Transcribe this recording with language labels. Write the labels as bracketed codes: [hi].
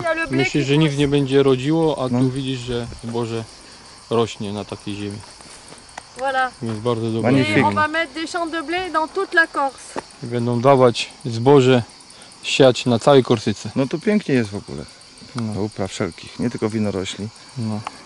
[pl] Myślisz, że nic nie będzie rodziło, a tu widzisz, że zboże rośnie na takiej ziemi. [fr] Voilà. [pl] Jest bardzo dobre. [fr] I on va mettre des champs de blé dans toute la Corse. [pl] I będą dawać zboże siać na całej Korsyce. No to pięknie jest w ogóle. No. Do upraw wszelkich, nie tylko winorośli. No.